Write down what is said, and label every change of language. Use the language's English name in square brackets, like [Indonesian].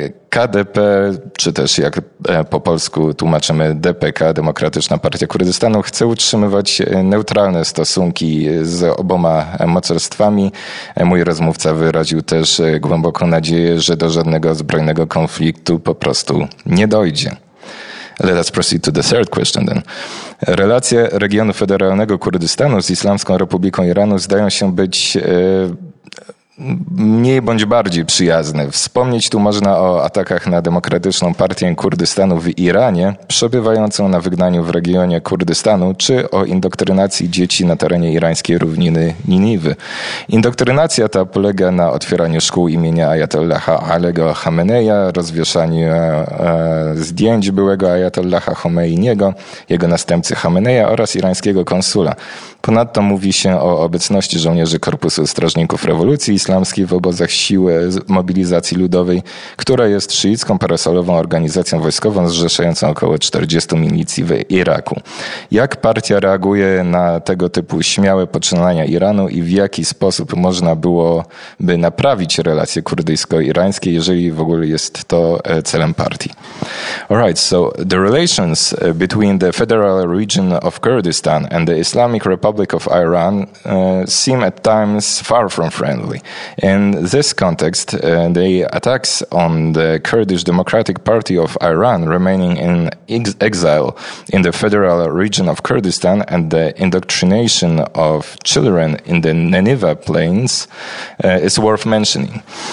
[Polish] KDP, czy też jak po polsku tłumaczymy DPK, Demokratyczna Partia Kurdystanu, chce utrzymywać neutralne stosunki z oboma mocarstwami. Mój rozmówca wyraził też głęboką nadzieję, że do żadnego zbrojnego konfliktu po prostu nie dojdzie. [English] Let us proceed to the third question then. [Polish] Relacje regionu federalnego Kurdystanu z Islamską Republiką Iranu zdają się być mniej bądź bardziej przyjazne. Wspomnieć tu można o atakach na Demokratyczną Partię Kurdystanu w Iranie, przebywającą na wygnaniu w regionie Kurdystanu, czy o indoktrynacji dzieci na terenie irańskiej równiny Niniwy. Indoktrynacja ta polega na otwieraniu szkół imienia Ajatollaha Alego Khameneja, rozwieszaniu zdjęć byłego Ajatollaha Khomeiniego, jego następcy Khameneja oraz irańskiego konsula. Ponadto mówi się o obecności żołnierzy Korpusu Strażników Rewolucji Islamskiej w obozach Siły Mobilizacji Ludowej, która jest szyicką parasolową organizacją wojskową zrzeszającą około 40 milicji w Iraku. Jak partia reaguje na tego typu śmiałe poczynania Iranu i w jaki sposób można byłoby naprawić relacje kurdyjsko-irańskie, jeżeli w ogóle jest to celem partii? [English] All right, so the relations between the Federal Region of Kurdistan and the Islamic Republic of Iran seem at times far from friendly. In this context, the attacks on the Kurdish Democratic Party of Iran remaining in exile in the federal region of Kurdistan and the indoctrination of children in the Nineveh plains is worth mentioning.